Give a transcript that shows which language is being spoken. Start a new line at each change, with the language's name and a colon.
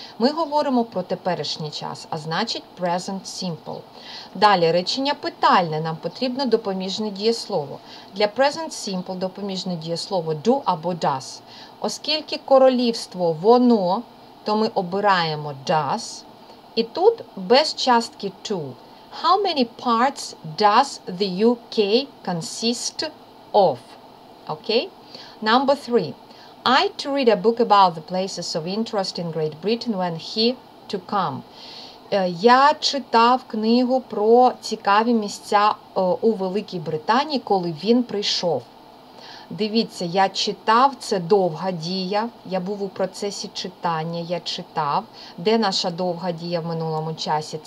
Ukrainian: Ми говоримо про теперішній час, а значить present simple. Далі, речення питальне, нам потрібно допоміжне дієслово. Для present simple допоміжне дієслово do або does. Оскільки королівство воно, то ми обираємо does. І тут без частки to.
English: How many parts does the UK consist of? Okay? Number 3. I to read a book about the places of interest in Great Britain when he to come.
Ukrainian: Я читав книгу про цікаві місця у Великій Британії, коли він прийшов. Дивіться, я читав, це довга дія, я був у процесі читання, я читав. Де наша довга дія в минулому часі?